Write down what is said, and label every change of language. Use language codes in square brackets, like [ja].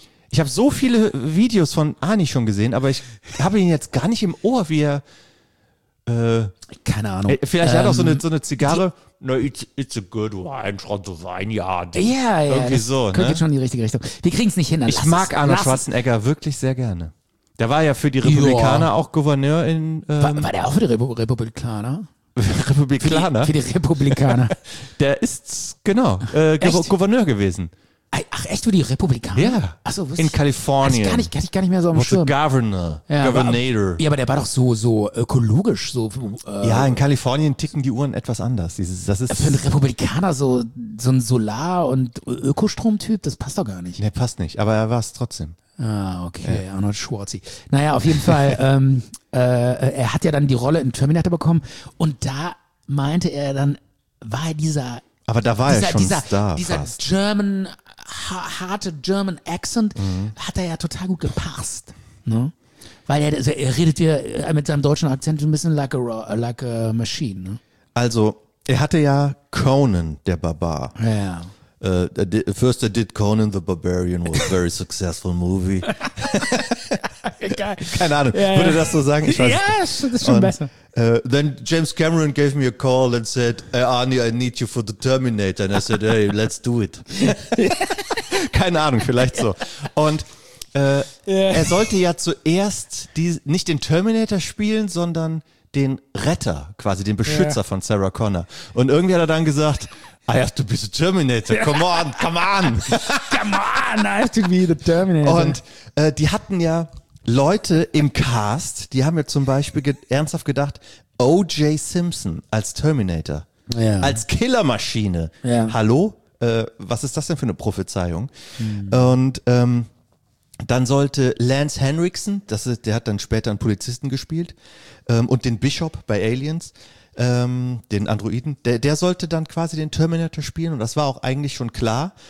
[de] Ich habe so viele Videos von Arnie schon gesehen, aber ich habe ihn jetzt gar nicht im Ohr, wie er... Keine Ahnung. Vielleicht hat er auch so eine Zigarre. [en] It's a good wine from the vineyard. Ja, yeah, ja. [de] Irgendwie so, ne? Könnte schon in die richtige Richtung. Wir kriegen es nicht hin. Ich mag Arnold Schwarzenegger wirklich sehr gerne. Der war ja für die Republikaner auch Gouverneur in... War der auch für die Republikaner? Republikaner? Für die Republikaner. Der ist, genau, Gouverneur gewesen. Ach, echt für die Republikaner? Ja. Ach so, in Kalifornien. Also gar nicht mehr so am Schirm. [en] Governor. [de] Ja, [en] Governator. [de] Aber der war doch so ökologisch. So. Ja, in Kalifornien ticken die Uhren etwas anders. Das ist für einen Republikaner so ein Solar- und Ökostromtyp, das passt doch gar nicht. Nee, passt nicht, aber er war es trotzdem. Ah, okay, ja. Arnold Schwarzi. Naja, auf jeden Fall, er hat ja dann die Rolle in Terminator bekommen und da meinte er dann, war er dieser... Aber da war er schon Star. Dieser fast. German... harte German Accent hat er ja total gut gepasst, ne? Weil er redet ja mit seinem deutschen Akzent ein bisschen [en] like a machine, [de] ne? Also, er hatte ja Conan der Barbar. Ja. [en] First I did Conan the Barbarian was a very successful movie. [de] Keine Ahnung, ja, würde das so sagen? Ich weiß. Ja, das ist schon besser. [en] Then James Cameron gave me a call and said, Arnie, I need you for the Terminator. And I said, hey, let's do it. [de] Keine Ahnung, vielleicht so. Und er sollte ja zuerst nicht den Terminator spielen, sondern den Retter, quasi den Beschützer von Sarah Connor. Und irgendwie hat er dann gesagt, [en] I have to be the Terminator, come on. Come on, I have to be the Terminator. [de] Und die hatten ja Leute im Cast, die haben ja zum Beispiel ernsthaft gedacht, O.J. Simpson als Terminator, als Killermaschine. Ja. Hallo? Was ist das denn für eine Prophezeiung? Und dann sollte Lance Henriksen, der hat dann später einen Polizisten gespielt, und den Bishop bei Aliens, den Androiden, der sollte dann quasi den Terminator spielen und das war auch eigentlich schon klar.